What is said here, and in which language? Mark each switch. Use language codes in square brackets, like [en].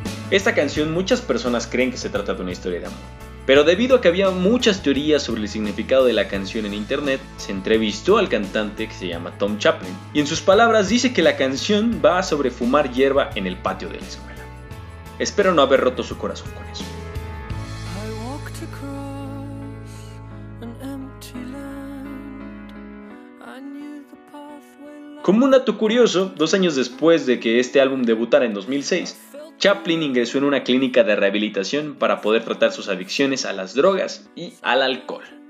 [es] Esta canción muchas personas creen que se trata de una historia de amor, pero debido a que había muchas teorías sobre el significado de la canción en internet, se entrevistó al cantante, que se llama Tom Chaplin, y en sus palabras dice que la canción va sobre fumar hierba en el patio de la escuela. Espero no haber roto su corazón con eso. [en] I walked across an empty land. I knew the pathway. [es] Como un dato curioso, 2 años después de que este álbum debutara en 2006, Chaplin ingresó en una clínica de rehabilitación para poder tratar sus adicciones a las drogas y al alcohol.